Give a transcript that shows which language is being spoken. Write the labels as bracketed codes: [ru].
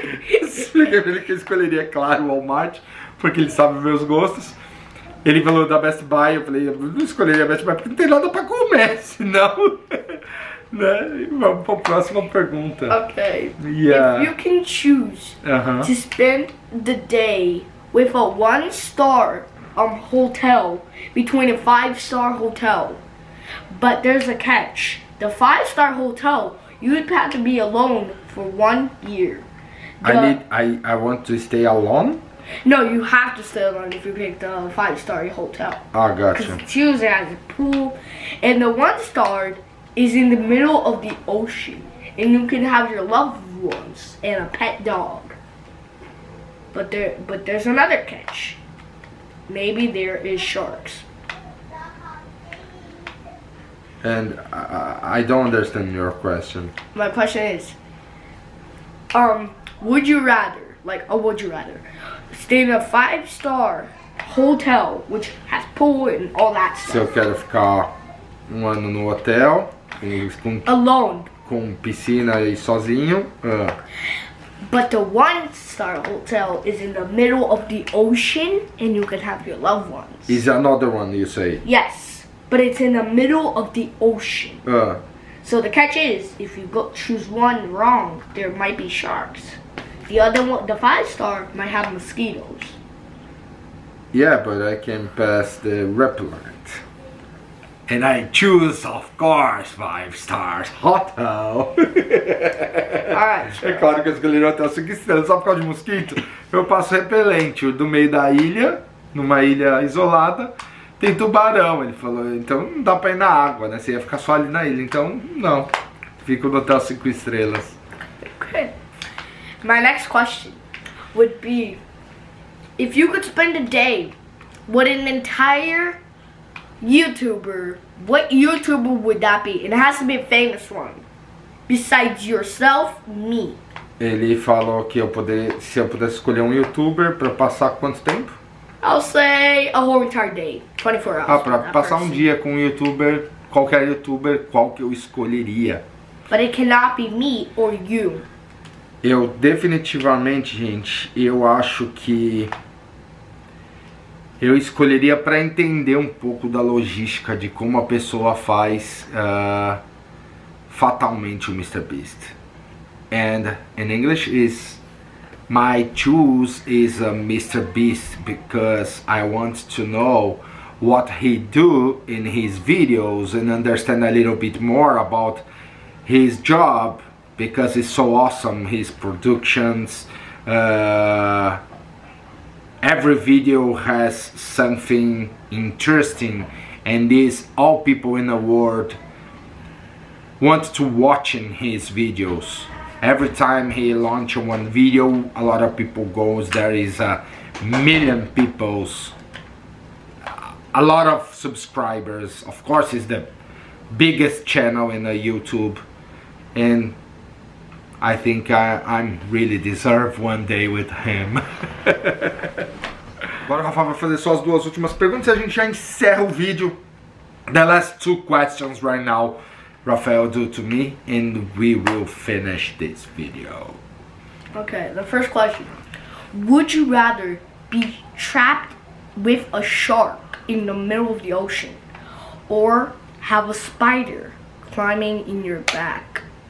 [pt] Expliquei pra ele que eu escolheria, claro, o Walmart, porque ele sabe meus gostos. Ele falou da Best Buy, eu falei, eu não escolheria a Best Buy, porque não tem nada pra comer, senão... né? Vamos pra próxima pergunta. [en] Ok. Yeah. If you can choose to spend the day with a one-star hotel between a five-star hotel, but there's a catch. The five-star hotel, you would have to be alone for 1 year. I want to stay alone? No, you have to stay alone if you pick the five-star hotel. Oh, gotcha. Because it has a pool. And the one-star is in the middle of the ocean. And you can have your loved ones and a pet dog. But there's another catch. Maybe there is sharks. And I don't understand your question. My question is, would you rather, like, oh, would you rather stay in a five-star hotel, which has pool and all that stuff? [pt] Se eu quero ficar um ano no hotel, com, [en] alone, [pt] com piscina e sozinho. [en] But the one-star hotel is in the middle of the ocean, and you can have your loved ones. Is another one, you say? Yes. But it's in the middle of the ocean. So the catch is, if you go choose one wrong, there might be sharks. The other one, the five star, might have mosquitoes. Yeah, but I can pass the repellent. And I choose, of course, five stars hotel. Alright. [pt] É claro que eu escolhi o hotel 5 estrelas só por causa de mosquito. Eu passo repelente do meio da ilha, numa ilha isolada. Tem tubarão, ele falou, então não dá pra ir na água, né? Você ia ficar só ali na ilha, então não. Fico no hotel 5 estrelas. [en] Okay. My next question would be, if you could spend a day with an entire YouTuber, what YouTuber would that be? And it has to be a famous one. Besides yourself, me. [pt] Ele falou que se eu pudesse escolher um YouTuber pra passar quanto tempo? [en] I'll say a whole entire day, 24 hours. [pt] Ah, pra passar um dia com um YouTuber, qualquer YouTuber, qual que eu escolheria? [en] But it cannot be me or you. [pt] Eu definitivamente, gente, eu acho que eu escolheria pra entender um pouco da logística de como a pessoa faz fatalmente o Mr. Beast. [en] And in English is, my choice is a Mr. Beast because I want to know what he do in his videos and understand a little bit more about his job because it's so awesome, his productions. Every video has something interesting and this all people in the world want to watch in his videos. Every time he launches one video, a lot of people goes, there is a million people's, a lot of subscribers. Of course, it's the biggest channel in the YouTube. And I think I'm really deserve one day with him. [pt] Agora, Rafa vai fazer só as duas últimas perguntas e a gente já encerra o vídeo. [en] The last two questions right now. Rafael, do to me, and we will finish this video. Okay, the first question. Would you rather be trapped with a shark in the middle of the ocean or have a spider climbing in your back?